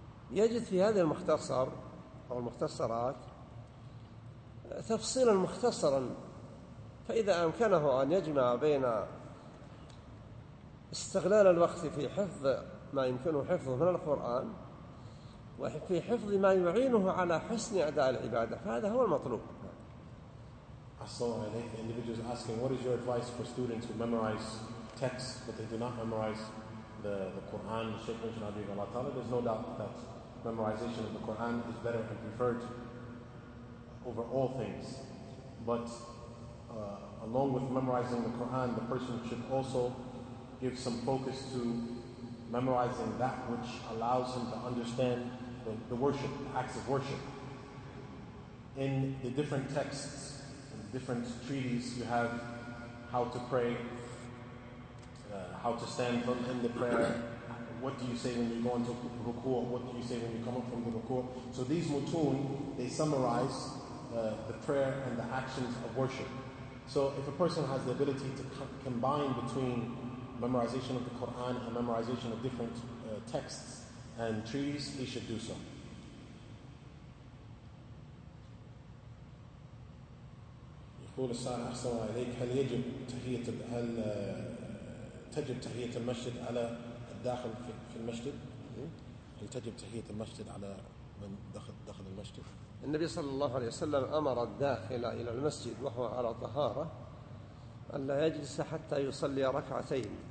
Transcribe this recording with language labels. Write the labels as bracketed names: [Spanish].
[Arabic] يجد في هذا المختصر أو المختصرات تفصيلا مختصرا، فإذا أمكنه أن يجمع بين استغلال الوقت في حفظ ما يمكنه حفظه من القرآن وفي حفظ ما يعينه على حسن أداء العبادة، فهذا هو المطلوب. Assalamualaikum. [English] The individual is asking, what is your advice for students who memorize texts but they do not memorize the Quran? Shaykh mentioned Abu Ghulam Ta'ala. There's no doubt that memorization of the Quran is better and preferred over all things. But along with memorizing the Quran, the person should also give some focus to memorizing that which allows him to understand the worship, the acts of worship. In the different texts, in the different treaties, you have how to pray, how to stand from in the prayer, what do you say when you go into ruku', what do you say when you come up from the ruku'. So these mutun, they summarize the prayer and the actions of worship. So if a person has the ability to combine between memorization of the Quran and memorization of different texts and trees, he should do so. [Arabic] يقول السائل أحسن الله إليك هل يجب تحية هل تجب تحية المسجد على الداخل في المسجد؟ هل تجب تحية المسجد على من دخل المسجد؟ النبي صلى الله عليه وسلم أمر الداخل إلى المسجد وهو على طهارة أن لا يجلس حتى يصلي ركعتين.